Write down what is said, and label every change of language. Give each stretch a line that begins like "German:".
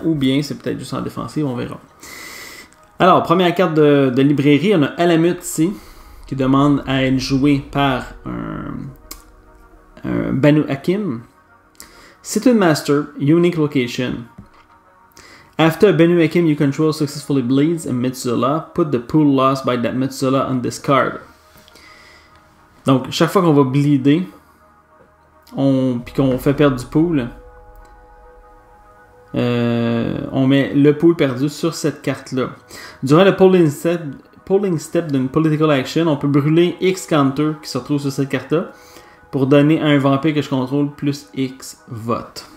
French: Ou bien c'est peut-être juste en défensive, on verra. Alors, première carte de librairie, on a Alamut ici, qui demande à être joué par un Banu Hakim. C'est une master, unique location.
English: After Banu Hakim, you control successfully bleeds a Metzula. Put the pool lost by that Metzula on this card.
French: Donc, chaque fois qu'on va bleeder, puis qu'on fait perdre du pool, on met le pool perdu sur cette carte-là. Durant le polling step d'une political action, on peut brûler X counter qui se retrouve sur cette carte-là pour donner à un vampire que je contrôle plus X votes.